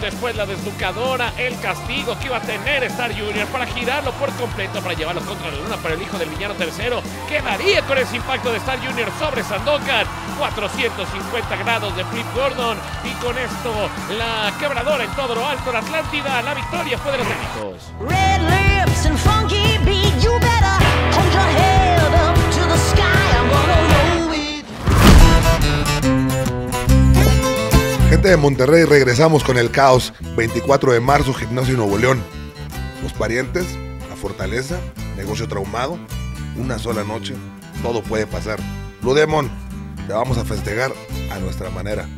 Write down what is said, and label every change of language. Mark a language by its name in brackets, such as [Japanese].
[Spanish] Después la desbucadora, el castigo que iba a tener Star Junior para girarlo por completo, para llevarlo contra la luna, para el hijo del villano tercero quedaría con ese impacto de Star Junior sobre Sandokan. 450 grados de Flip Gordon, y con esto la quebradora en todo lo alto de Atlántida, la victoria fue de los amigos. [English] Red lips and funky beat, you better hold your head up to the sky. [Spanish] Gente de Monterrey, regresamos con el caos. 24 de marzo, Gimnasio Nuevo León. Los parientes, la fortaleza, negocio traumado, una sola noche, todo puede pasar. Ludemon, te vamos a festejar a nuestra manera.